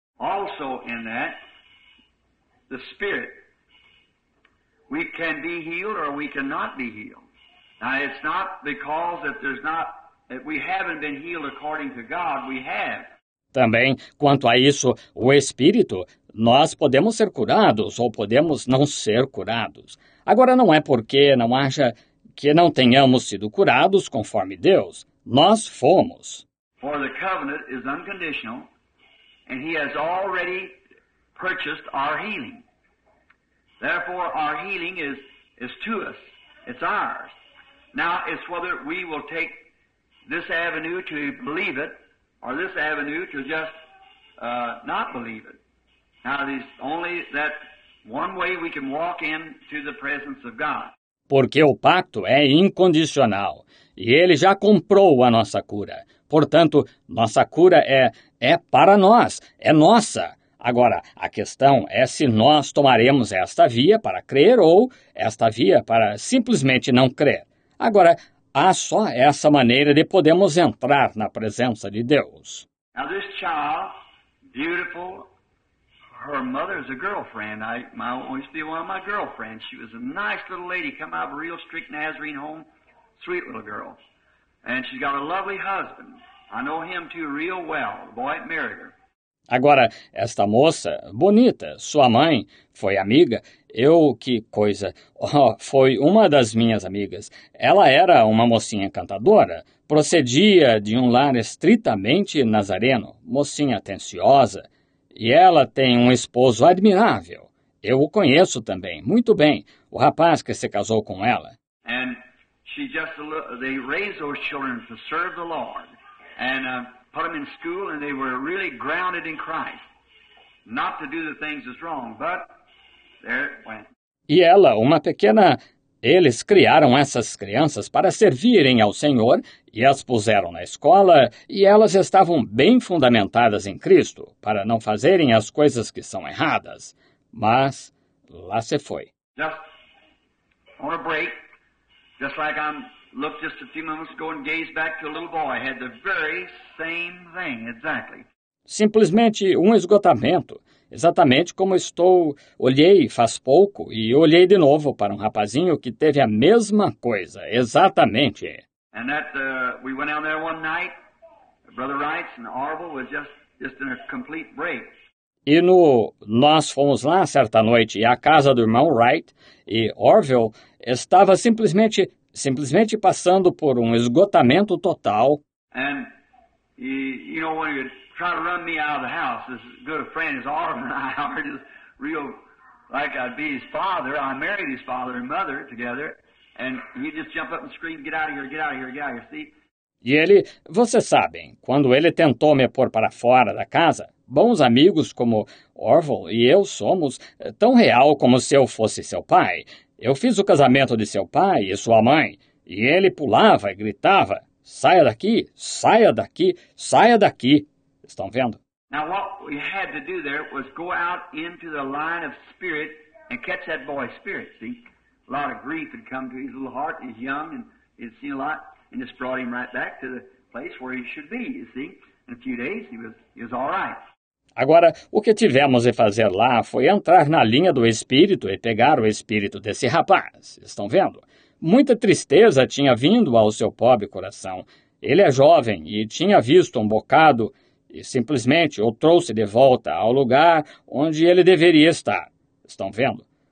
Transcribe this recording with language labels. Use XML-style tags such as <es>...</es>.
<en>Also in that, the spirit. We can be healed or we cannot be healed. Now it's not because that there's not that we haven't been healed according to God, we have.</en> <pt>Também, quanto a isso, o espírito, nós podemos ser curados ou podemos não ser curados. Agora, não é porque não haja que não tenhamos sido curados conforme Deus. Nós fomos.</pt> <en>For the covenant is unconditional, and he has already purchased our healing. Therefore, our healing is to us. It's ours. Now, it's whether we will take this avenue to believe it, or this avenue to just not believe it. Now, there's only that one way we can walk into the presence of God.</en> <pt>Porque o pacto é incondicional, e ele já comprou a nossa cura. Portanto, nossa cura é para nós, é nossa. Agora, a questão é se nós tomaremos esta via para crer ou esta via para simplesmente não crer. Agora, há só essa maneira de podermos entrar na presença de Deus.</pt> <en>Now this child, beautiful, her mother's a girlfriend. I used to be one of my girlfriends. She was a nice little lady, come out of a real strict Nazarene home. Sweet little girl. And she's got a lovely husband. I know him too real well. The boy that married her.</en> <pt>Agora, esta moça, bonita, sua mãe, foi amiga. Eu, que coisa, oh, foi uma das minhas amigas. Ela era uma mocinha encantadora, procedia de um lar estritamente nazareno, mocinha atenciosa. E ela tem um esposo admirável. Eu o conheço também, muito bem, o rapaz que se casou com ela.</pt> <en>And she just, they raised those children to serve the Lord. And put them in school, and they were really grounded in Christ. Not to do the things that's wrong, but there it went.</en> <pt>E ela, uma pequena, eles criaram essas crianças para servirem ao Senhor, e as puseram na escola, e elas estavam bem fundamentadas em Cristo, para não fazerem as coisas que são erradas. Mas, lá se foi.</pt> <en>Just on a break, just like I'm... Looked just a few moments ago and gazed back to a little boy. Had the very same thing, exactly.</en> <pt>Simplesmente um esgotamento. Exatamente como estou, olhei faz pouco e olhei de novo para um rapazinho que teve a mesma coisa, exatamente.</pt> <en>And that, we went down there one night, Brother Wright's and Orville was just in a complete break.</en> <pt>E no, nós fomos lá certa noite e à casa do irmão Wright e Orville estava simplesmente passando por um esgotamento total.</pt> <en>And you know, when you try to run me out of the house, as good a friend as Orville and I are, just real like I'd be his father. I married his father and mother together, and he'd just jump up and scream, "Get out of here! Get out of here! Get out of here!" See?</en> <pt>E ele, vocês sabem, quando ele tentou me pôr para fora da casa, bons amigos como Orville e eu somos, tão real como se eu fosse seu pai. Eu fiz o casamento de seu pai e sua mãe, e ele pulava e gritava, saia daqui, saia daqui, saia daqui. Estão vendo?</pt> <en>Now what we had to do there was go out into the line of spirit and catch that boy's spirit, see? A lot of grief had come to his little heart, he's young, and he'd seen a lot, and just brought him right back to the place where he should be, you see? In a few days he was all right.</en> <pt>Agora, o que tivemos de fazer lá foi entrar na linha do espírito e pegar o espírito desse rapaz. Estão vendo? Muita tristeza tinha vindo ao seu pobre coração. Ele é jovem e tinha visto um bocado e simplesmente o trouxe de volta ao lugar onde ele deveria estar. Estão vendo?</pt>